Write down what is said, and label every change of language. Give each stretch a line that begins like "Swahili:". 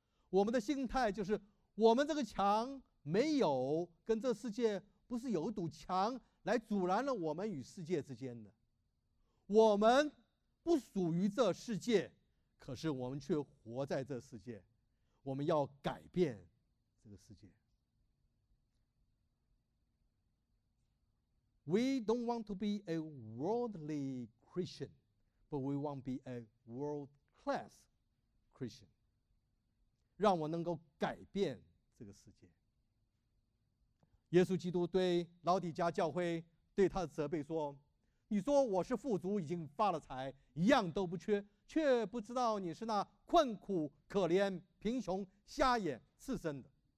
Chinese: 我们的心态就是，我们这个墙没有跟这世界，不是有一堵墙来阻拦了我们与世界之间的。我们不属于这世界，可是我们却活在这世界，我们要改变这个世界。
English: We don't want to be a worldly Christian, but we want to be a world class Christian.
Chinese: 让我能够改变这个世界。耶稣基督对老底嘉教会对他的责备说，你说我是富足，已经发了财，一样都不缺，却不知道你是那困苦可怜贫穷瞎眼刺身的。